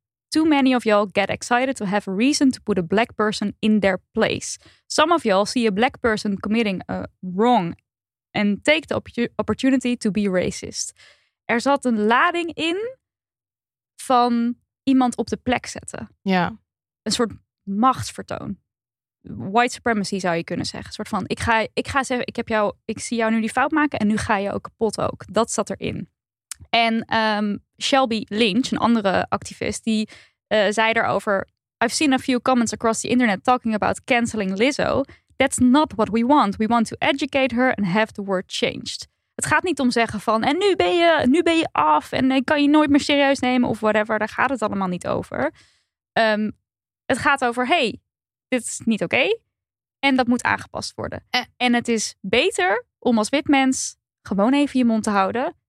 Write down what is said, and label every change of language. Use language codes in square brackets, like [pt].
[en] Too many of y'all get excited to have a reason to put a black person in their place. Some of y'all see a black person committing a wrong and take the opportunity to be racist. [nl] Er zat een lading in van iemand op de plek zetten. Ja. Een soort machtsvertoon. White supremacy zou je kunnen zeggen. Een soort van, ik ga zeggen, ik zie jou nu die fout maken en nu ga je ook kapot ook. Dat zat erin. En Shelby Lynch, een andere activist, die zei daarover: [en] I've seen a few comments across the internet talking about canceling Lizzo. That's not what we want. We want to educate her and have the word changed. [nl] Het gaat niet om zeggen van, en nu ben je af en kan je nooit meer serieus nemen of whatever. Daar gaat het allemaal niet over. Het gaat over, hey, dit is niet oké. En dat moet aangepast worden. En het is beter om als wit mens gewoon even je mond te houden.